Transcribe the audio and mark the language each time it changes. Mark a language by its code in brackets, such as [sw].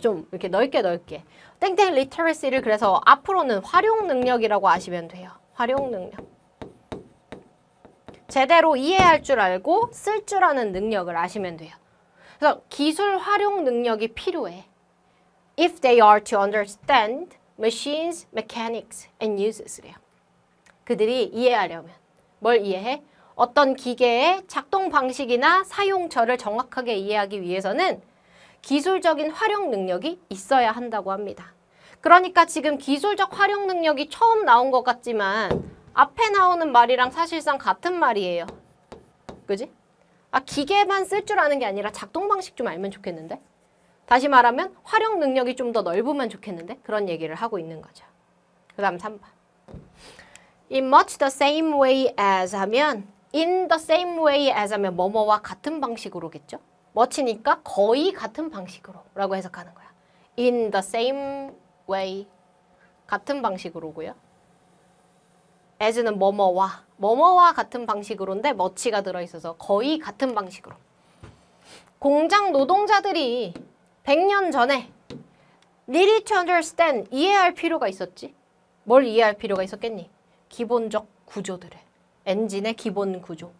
[ko] 좀 이렇게 넓게 넓게. 땡땡 리터러시를 그래서 앞으로는 활용 능력이라고 아시면 돼요. 활용 능력. 제대로 이해할 줄 알고 쓸줄 아는 능력을 아시면 돼요. 그래서 기술 활용 능력이 필요해. [en] if they are to understand machines, mechanics, and uses래요. [ko] 그들이 이해하려면 뭘 이해해? 어떤 기계의 작동 방식이나 사용처를 정확하게 이해하기 위해서는 기술적인 활용 능력이 있어야 한다고 합니다. 그러니까 지금 기술적 활용 능력이 처음 나온 것 같지만 앞에 나오는 말이랑 사실상 같은 말이에요. 그지? 아, 기계만 쓸 줄 아는 게 아니라 작동 방식 좀 알면 좋겠는데? 다시 말하면 활용 능력이 좀 더 넓으면 좋겠는데? 그런 얘기를 하고 있는 거죠. 그 다음 3번. [en] In much the same way as 하면 in the same way as 하면 [ko] 뭐뭐와 같은 방식으로겠죠? much니까 거의 같은 방식으로 라고 해석하는 거야. [en] In the same way [ko] 같은 방식으로고요. as는 뭐뭐와 뭐뭐와 같은 방식으로인데 much가 들어있어서 거의 같은 방식으로. 공장 노동자들이 100년 전에 [en] needed to understand [ko] 이해할 필요가 있었지. 뭘 이해할 필요가 있었겠니? 기본적 구조들을. 엔진의 기본 구조.